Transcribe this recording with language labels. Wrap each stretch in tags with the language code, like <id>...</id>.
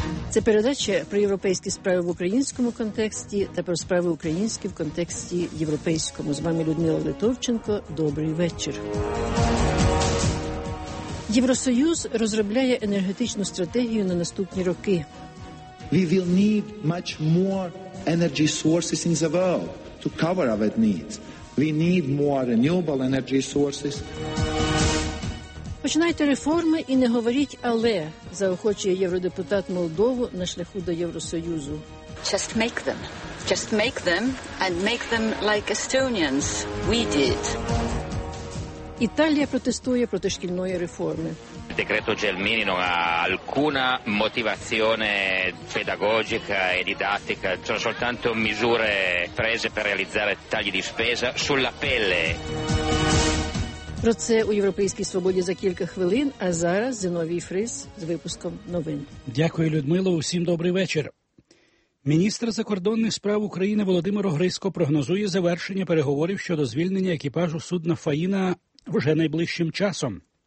<uk>Це передача про європейські справи в українському контексті та про справи українські в контексті європейському. З вами Людмила Литовченко. Добрий вечір. Євросоюз розробляє енергетичну стратегію на наступні роки.</uk> <en>We will need much more energy sources in the world to cover our needs. We need more renewable energy sources.</en> <uk>Починайте реформи і не говоріть «але», заохочує євродепутат Молдову на шляху до Євросоюзу.</uk> <en>Just make them. Just make them and make them like Estonians. We did.</en> <uk>Італія протестує проти шкільної реформи.</uk> <it>Decreto Gelmini non ha alcuna motivazione pedagogica e didattica. Sono soltanto misure prese per realizzare tagli di spesa sulla pelle.</it> <uk>Про це у Європейській свободі за кілька хвилин, а зараз Зіновій Фріс з випуском новин. Дякую, Людмило, усім добрий вечір. Міністр закордонних справ України Володимир Огрицько прогнозує завершення переговорів щодо звільнення екіпажу судна «Фаїна» вже найближчим часом.</uk>